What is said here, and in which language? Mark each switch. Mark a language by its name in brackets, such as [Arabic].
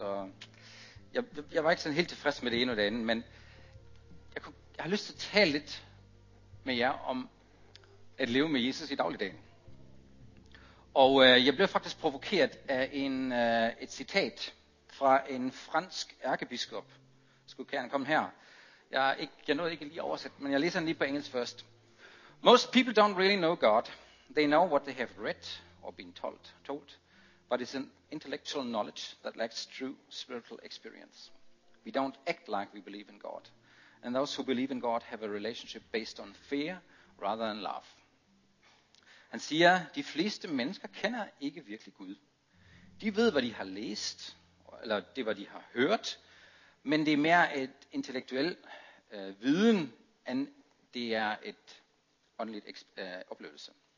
[Danish] Og jeg var ikke sådan helt tilfreds med det ene og det andet, men jeg har lyst til at tale lidt med jer om at leve med Jesus i dagligdagen. Og jeg blev faktisk provokeret af et citat fra en fransk ærkebiskop. Skulle gerne komme her. Jeg nåede ikke lige oversætte, men jeg læser den lige på engelsk først. [English] Most people don't really know God. They know what they have read or been told, but it's an intellectual knowledge that lacks true spiritual experience. We don't act like we believe in God. And those who believe in God have a relationship based on fear rather than love. [Danish] Han siger, de fleste mennesker kender ikke virkelig Gud. De ved, hvad de har læst, eller det, hvad de har hørt, men det er mere et intellektuel viden, end det er et åndeligt oplevelse.